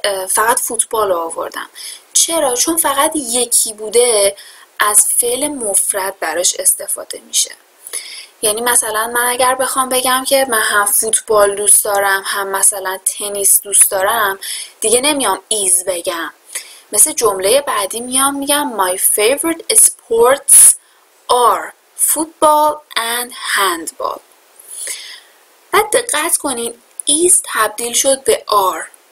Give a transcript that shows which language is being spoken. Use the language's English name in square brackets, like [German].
[Persian] فقط فوتبال رو آوردم. چرا؟ چون فقط یکی بوده از فعل مفرد براش استفاده میشه. یعنی مثلا من اگر بخوام بگم که من هم فوتبال دوست دارم هم مثلا تنیس دوست دارم، دیگه نمیام is بگم. مثل جمله بعدی میام میگم [English] My favorite sports are football and handball. [Persian] بعد دقت کنین is تبدیل شد به are.